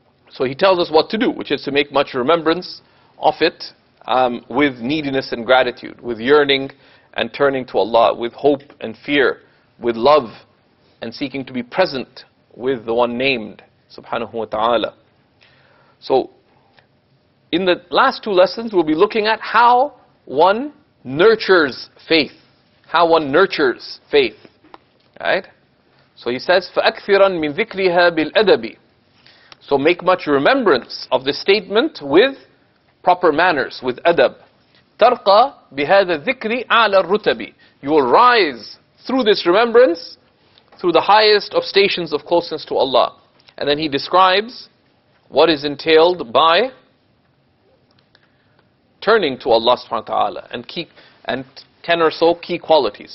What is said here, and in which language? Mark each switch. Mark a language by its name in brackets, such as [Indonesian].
[English] So he tells us what to do, which is to make much remembrance of it with neediness and gratitude, with yearning and turning to Allah, with hope and fear, with love and seeking to be present with the one named, subhanahu wa ta'ala. So, in the last two lessons, we'll be looking at how one nurtures faith. How one nurtures faith. Right? So he says, [Arabic] فَأَكْثِرًا مِنْ ذِكْرِهَا بِالْأَدَبِ. [English] So make much remembrance of the statement with proper manners, with adab. [Arabic] تَرْقَى بِهَذَا الذِّكْرِ عَلَى الرُّتَبِ. [English] You will rise through this remembrance, through the highest of stations of closeness to Allah. And then he describes what is entailed by turning to Allah subhanahu wa ta'ala and ten or so key qualities.